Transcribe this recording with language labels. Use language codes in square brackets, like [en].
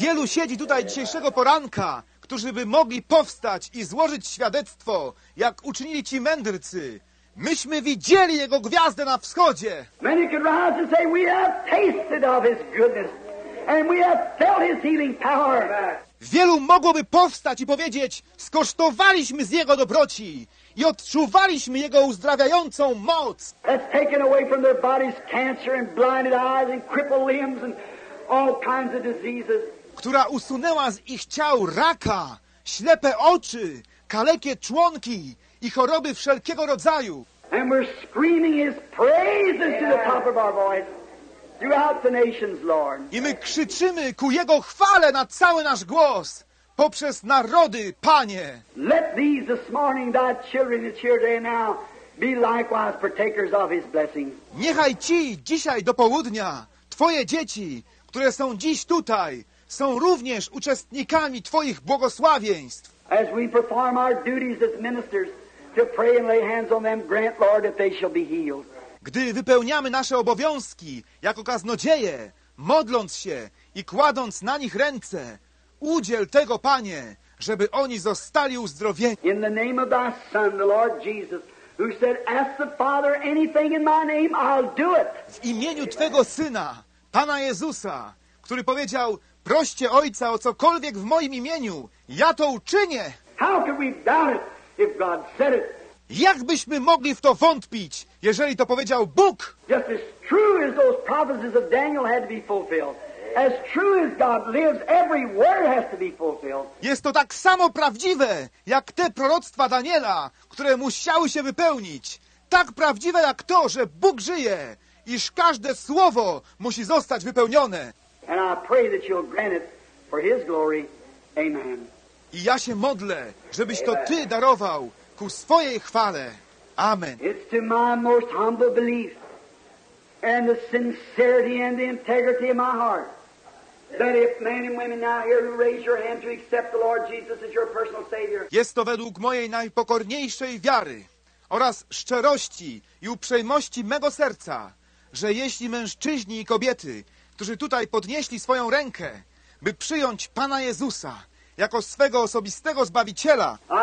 [pl] Wielu siedzi tutaj dzisiejszego poranka, którzy by mogli powstać i złożyć świadectwo, jak uczynili ci mędrcy. Myśmy widzieli jego gwiazdę na wschodzie. [en] Many could rise and say, we have tasted of his goodness and we have felt his healing power. [pl] Wielu mogłoby powstać i powiedzieć, skosztowaliśmy z jego dobroci i odczuwaliśmy jego uzdrawiającą moc. [en] That's taken away from their bodies cancer and blinded eyes and crippled limbs and all kinds of diseases. [pl] Która usunęła z ich ciał raka, ślepe oczy, kalekie członki i choroby wszelkiego rodzaju. [en] And we're screaming his praises to the top of our voice throughout the nations, Lord. [pl] I my krzyczymy ku jego chwale na cały nasz głos poprzez narody, Panie. [en] Let these this morning, thy children that's here today now, be likewise partakers of his blessing. [pl] Niechaj ci dzisiaj do południa, twoje dzieci, które są dziś tutaj, są również uczestnikami twoich błogosławieństw. [en] As we perform our duties as ministers to pray and lay hands on them, grant, Lord, that they shall be healed. [pl] Gdy wypełniamy nasze obowiązki jako kaznodzieje, modląc się i kładąc na nich ręce, udziel tego, Panie, żeby oni zostali uzdrowieni. [en] In the name of thy Son, the Lord Jesus, who said, ask the Father anything in my name, I'll do it. [pl] W imieniu Twego Syna, Pana Jezusa, który powiedział, proście Ojca o cokolwiek w moim imieniu, ja to uczynię. [en] How can we doubt it if God said it? [pl] Jak byśmy mogli w to wątpić, jeżeli to powiedział Bóg? [en] Just as true as those prophecies of Daniel had to be fulfilled. As true as God lives, every word has to be fulfilled. [pl] Jest to tak samo prawdziwe, jak te proroctwa Daniela, które musiały się wypełnić. Tak prawdziwe jak to, że Bóg żyje, iż każde słowo musi zostać wypełnione. [en] And I pray that you'll grant it for his glory. Amen. [pl] I ja się modlę, żebyś to ty darował ku swojej chwale. Amen. [en] It's to my most humble belief and the sincerity and the integrity of my heart that if men and women now here raise your hand to accept the Lord Jesus as your personal Savior. [pl] Jest to według mojej najpokorniejszej wiary oraz szczerości i uprzejmości mego serca, że jeśli mężczyźni i kobiety, którzy tutaj podnieśli swoją rękę, by przyjąć Pana Jezusa jako swego osobistego Zbawiciela.